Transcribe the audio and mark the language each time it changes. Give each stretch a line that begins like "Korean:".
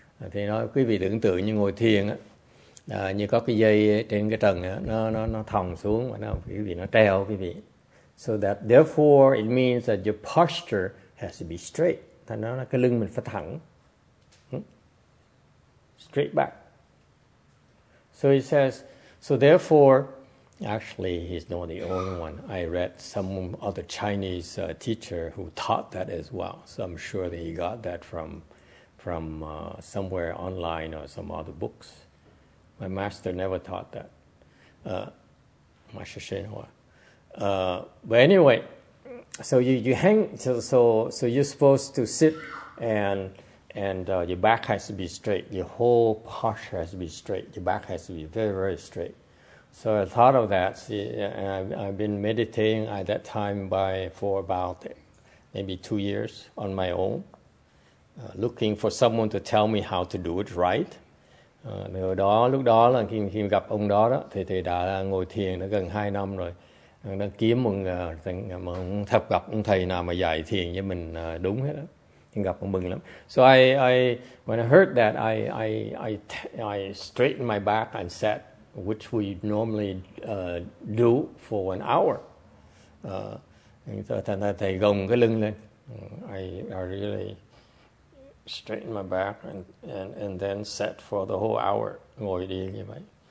Vietnamese: Thì nói quý vị tưởng tượng như ngồi thiền á, như có cái dây trên cái trần á, nó thòng xuống và nó quý vị nó treo quý vị.
English: So that therefore it means that your posture has to be straight.
Vietnamese: Thì nó là cái lưng mình phải thẳng.
English: Straight back. So he says, so therefore, actually he's not the only one. I read some other Chinese teacher who taught that as well. So I'm sure that he got that from somewhere online or some other books. My master never taught that. Master Shen Hua. But anyway, so you hang, so you're supposed to sit and your back has to be straight. Your whole posture has to be straight. Your back has to be very, very straight. So I thought of that. See, and I've been meditating at that time by for about maybe 2 years on my own, looking for someone to tell me how to do it right.
Vietnamese: Lúc đó là khi gặp ông đó đó, thì thầy đã ngồi thiền đã gần 2 năm rồi, đang kiếm một thập gặp ông thầy nào mà dạy thiền với mình đúng hết đó. Gặp mừng lắm.
English: So when I heard that, I straightened my back and sat, which we normally do for an hour.
Vietnamese: Thầy gồng cái lưng lên.
English: I really straightened my back and then sat for the whole hour,
Vietnamese: ngồi đi như vậy.